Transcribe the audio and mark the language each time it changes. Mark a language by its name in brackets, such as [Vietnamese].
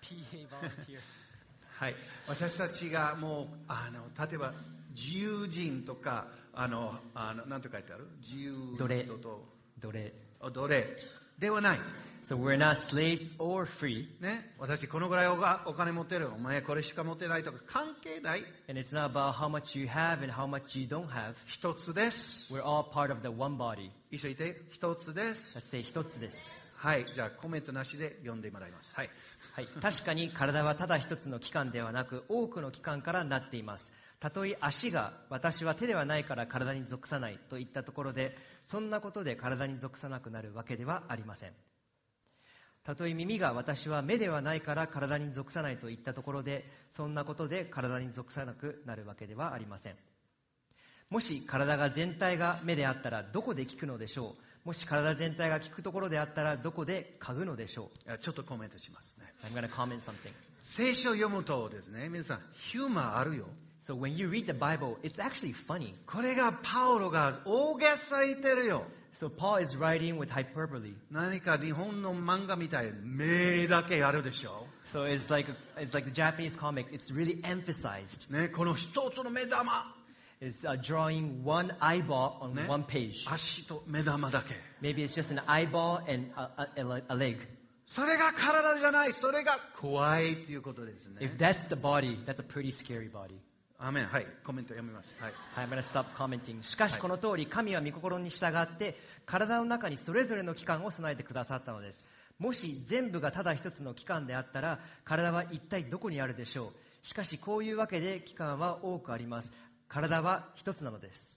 [Japanese] はい、私たちがもうあの例えば自由人とかあのあのなんて書いてある自由人と奴隷ではない [English] So we're not slaves or free、 [Japanese] ね、私このぐらい お金持ってるお前これしか持ってないとか関係ない [English] And it's not about how much you have and how much you don't have [Japanese] 一つです [English] We're all part of the one body [Japanese] 一緒に言って一つです [English] Let's say [Japanese] 一つですはいじゃあコメントなしで読んでもらいますはいはい、確かに体はただ一つの器官ではなく多くの器官からなっていますたとえ足が私は手ではないから体に属さないといったところでそんなことで体に属さなくなるわけではありませんたとえ耳が私は目ではないから体に属さないといったところでそんなことで体に属さなくなるわけではありませんもし体が全体が目であったらどこで聞くのでしょうもし体全体が聞くところであったらどこで嗅ぐのでしょうちょっとコメントしますね [English] I'm gonna comment something. [Japanese] 聖書を読むとですね皆さんヒューマーあるよ [English] So when you read the Bible, it's actually funny. [Japanese] これがパウロが大げさ言ってるよ [English] So Paul is writing with hyperbole. [Japanese] 何か日本の漫画みたい目だけあるでしょ [English] So it's like the Japanese comic. It's really emphasized. [Japanese] ね、この一つの目玉 [English] Is drawing one eyeball on、ね、one page. [Japanese] 足と目玉だけ。 [English] Maybe it's just an eyeball and a leg. [Japanese] それが体じゃない。それが怖いということですね。 [English] If that's the body, that's a pretty scary body. [Japanese] アーメン。はい。コメント読みます。はい。 [English] はい、I'm gonna stop commenting. [Japanese] しかしこの通り、神は御心に従って、体の中にそれぞれの器官を備えてくださったのです。もし全部がただ一つの器官であったら、体は一体どこにあるでしょう。しかしこういうわけで器官は多くあります。体は一つなのです。